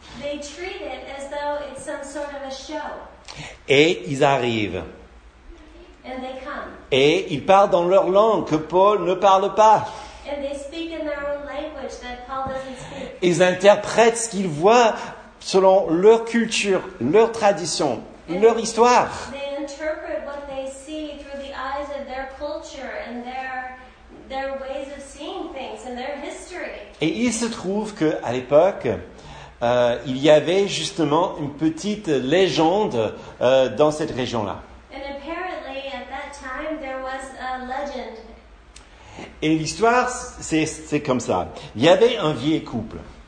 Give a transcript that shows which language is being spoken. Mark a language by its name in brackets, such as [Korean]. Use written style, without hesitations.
[English] They treat it as though it's some sort of a show. [French] Et ils arrivent. [English] And they come. [French] Et ils parlent dans leur langue que Paul ne parle pas. [English] And they speak in their own language that Paul doesn't speak. [French] Ils interprètent ce qu'ils voient selon leur culture, leur tradition, [English] and [French] leur histoire. [English] They interpret what they see through the eyes of their culture and their ways of seeing things and their history. [French] Et il se trouve qu'à l'époque, il y avait justement une petite légende dans cette région-là. [English] And apparently at that time there was a legend. [French] Et l'histoire, c'est comme ça. Il y avait un vieil couple.